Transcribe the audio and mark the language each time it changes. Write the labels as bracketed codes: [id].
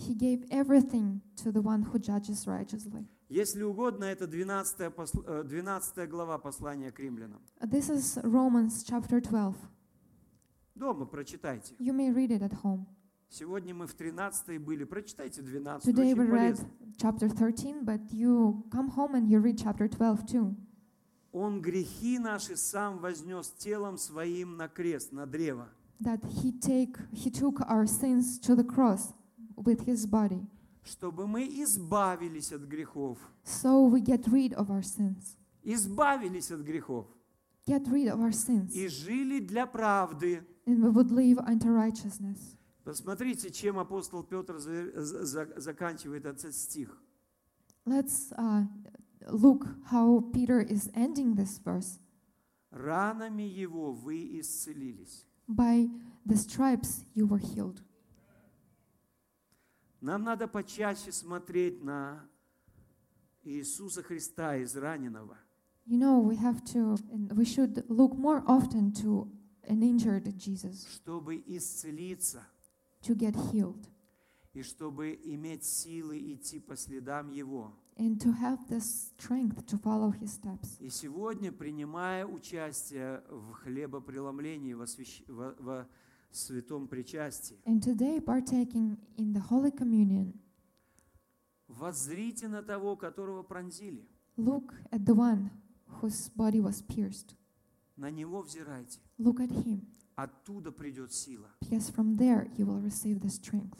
[en] He gave everything to the one who judges righteously. [ru] Если угодно, это 12 глава послания к римлянам. [en] This is Romans chapter 12. [ru] Дома прочитайте. [en] You may read it at home. [ru] Сегодня мы в 13 были. Прочитайте 12. [en] Today [ru] очень [en] we read [ru] полезно. [en] Chapter 13, but you come home and you read chapter 12 too. [ru] Он грехи наши сам вознес телом своим на крест, на древо. [en] That he took our sins to the cross with his body. [ru] Чтобы мы избавились от грехов. [en] So we get rid of our sins. [ru] Избавились от грехов. [en] Get rid of our sins. [ru] И жили для правды. [en] And we would live unto righteousness. [ru] Посмотрите, чем апостол Петр заканчивает этот стих. [en] Let's look how Peter is ending this verse. [ru] Ранами его вы исцелились. [en] By the stripes you were healed. [ru] Нам надо почаще смотреть на Иисуса Христа израненного. [en] You know, we have to, and we should look more often to an injured Jesus. [ru] Чтобы исцелиться. [en] To get healed. [ru] И чтобы иметь силы идти по следам Его. [en] And to have the strength to follow His steps. [ru] И сегодня, принимая участие в хлебопреломлении, во святом причастии. [en] And today, partaking in the Holy Communion. [ru] Воззрите на того, которого пронзили. [en] Look at the one whose body was pierced. [ru] На него взирайте. [en] Look at him. [ru] Оттуда придет сила. [en] Because from there you will receive the strength.